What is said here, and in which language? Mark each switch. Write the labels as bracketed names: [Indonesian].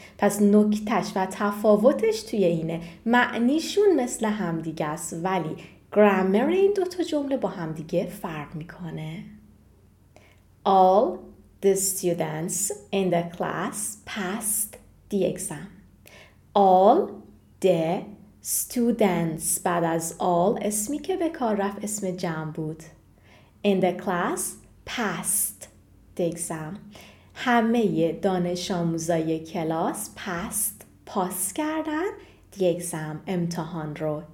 [Persian] پس نکتش و تفاوتش توی اینه معنیشون مثل همدیگه است ولی گرامر این دوتا جمله با همدیگه فرق میکنه. [English] All the students in the class passed the exam. All the students [Persian] بعد از all اسمی که به کار رفت اسم جمع بود. [English] In the class passed the exam. [Persian] همه دانش آموزای کلاس پاس کردن [English] the exam، [Persian] امتحان رو.